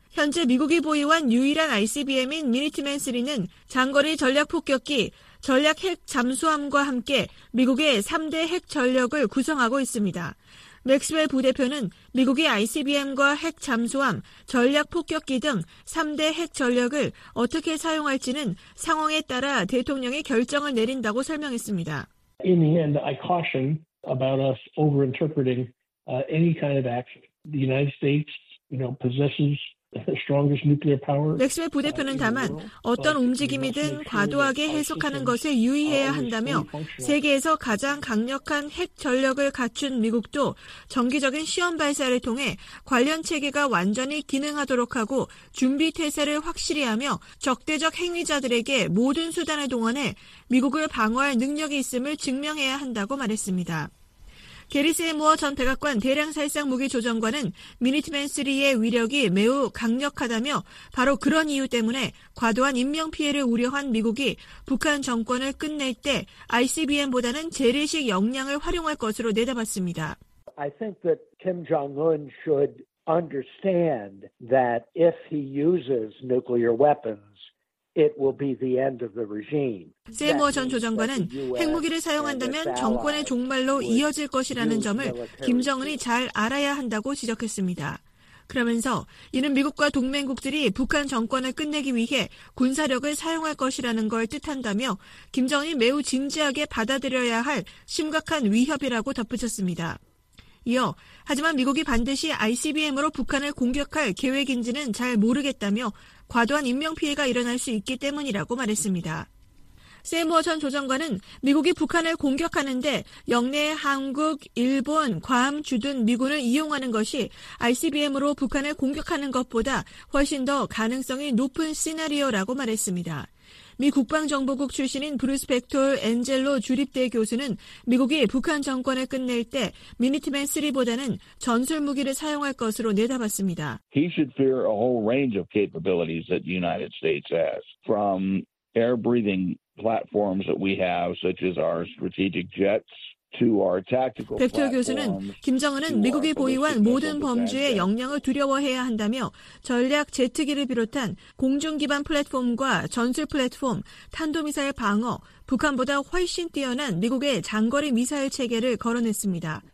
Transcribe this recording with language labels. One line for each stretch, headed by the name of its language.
Korean: 현재 미국이 보유한 유일한 ICBM인 미니트맨 3는 장거리 전략폭격기 전략 핵 잠수함과 함께 미국의 3대 핵 전력을 구성하고 있습니다. 맥스웰 부대표는 미국이 ICBM과 핵 잠수함, 전략 폭격기 등 3대 핵 전력을 어떻게 사용할지는 상황에 따라 대통령이 결정을 내린다고 설명했습니다.
English: In the end, I caution about us overinterpreting any kind of action. The United States, you know, possesses
Korean: 맥스웰 부대표는 다만 어떤 움직임이든 과도하게 해석하는 것에 유의해야 한다며 세계에서 가장 강력한 핵 전력을 갖춘 미국도 정기적인 시험 발사를 통해 관련 체계가 완전히 기능하도록 하고 준비 태세를 확실히 하며 적대적 행위자들에게 모든 수단을 동원해 미국을 방어할 능력이 있음을 증명해야 한다고 말했습니다. 게리 세이무어 전 백악관 대량살상무기조정관은 미니트맨3의 위력이 매우 강력하다며 바로 그런 이유 때문에 과도한 인명피해를 우려한 미국이 북한 정권을 끝낼 때 ICBM보다는 재래식 역량을 활용할 것으로 내다봤습니다.
English: I think that Kim Jong-un should understand that if he uses nuclear weapons, it will be the end of the regime.
Korean: 세이머 전 조정관은 핵무기를 사용한다면 정권의 종말로 이어질 것이라는 점을 김정은이 잘 알아야 한다고 지적했습니다. 그러면서 이는 미국과 동맹국들이 북한 정권을 끝내기 위해 군사력을 사용할 것이라는 걸 뜻한다며 김정은이 매우 진지하게 받아들여야 할 심각한 위협이라고 덧붙였습니다. 이어 하지만 미국이 반드시 ICBM으로 북한을 공격할 계획인지는 잘 모르겠다며 과도한 인명피해가 일어날 수 있기 때문이라고 말했습니다. 세이머 전 조정관은 미국이 북한을 공격하는데 영내 한국, 일본, 괌, 주 등 미군을 이용하는 것이 ICBM으로 북한을 공격하는 것보다 훨씬 더 가능성이 높은 시나리오라고 말했습니다. 미 국방정보국 출신인 브루스 벡톨 엔젤로 주립대 교수는 미국이 북한 정권을 끝낼 때 미니트맨 3보다는 전술 무기를 사용할 것으로 내다봤습니다.
English: He should fear a whole range of capabilities that the United States has, from air-breathing platforms that we have, such as our strategic jets.
Korean: 벡터 교수는 김정은은 미국이 보유한 모든 범주의 역량을 두려워해야 한다며 전략 제트기를 비롯한 공중기반 플랫폼과 전술 플랫폼, 탄도미사일 방어, 북한보다 훨씬 뛰어난 미국의 장거리 미사일 체계를 거론했습니다.